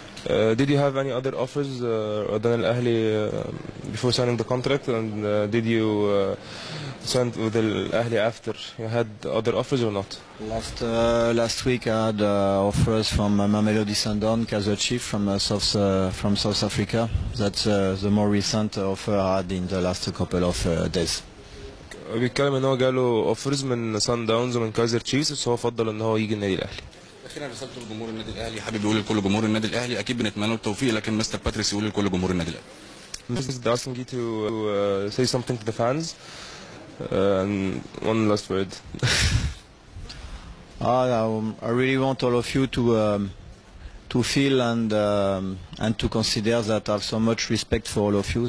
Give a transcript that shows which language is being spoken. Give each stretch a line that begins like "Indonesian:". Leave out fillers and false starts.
English: Did you have any other offers than Al Ahly before signing the contract, and did you sign with Al Ahly after you had other offers or not? Last week I had offers from Mamelodi Sundowns, Kaizer Chiefs from South Africa. That's the more recent offer I had in the last couple of days.
Arabic: بيتكلم ان هو جاله offers من Sundowns ومن Kaizer Chiefs، بس هو فضل ان هو يجي النادي الاهلي. اخيرا رسالته لجمهور النادي الاهلي، حابب يقول لكل جمهور النادي الاهلي اكيد بنتمنى التوفيق، لكن مستر باتريس يقول لكل جمهور النادي الاهلي.
English: This is asking you to say something to the fans. And one last word. I really want all of you to feel and to consider that I have so much respect for all of you.